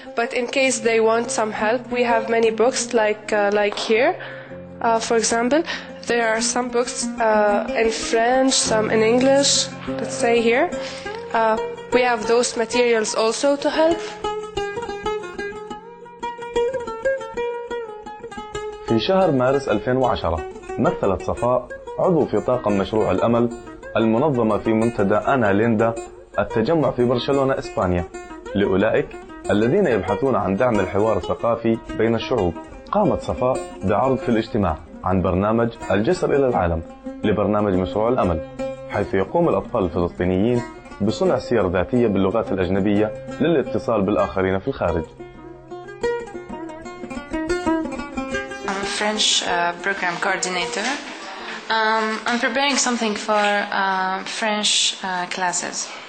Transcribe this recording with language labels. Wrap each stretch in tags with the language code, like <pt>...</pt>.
<en>But in case they want some help, we have many books like here, for example. There are some books in French, some in English, let's say here. We have those materials also to help.</en> <ar>في شهر مارس 2010 مثلت صفاء عضو في طاقم مشروع الأمل المنظمة في منتدى أنا ليندا التجمع في برشلونة إسبانيا لأولئك الذين يبحثون عن دعم الحوار الثقافي بين الشعوب. قامت صفاء بعرض في الاجتماع عن برنامج الجسر إلى العالم لبرنامج مشروع الأمل، حيث يقوم الأطفال الفلسطينيين بصنع سير ذاتية باللغات الأجنبية للاتصال بالآخرين في الخارج.</ar> <en>French program coordinator. I'm preparing something for French classes.</en>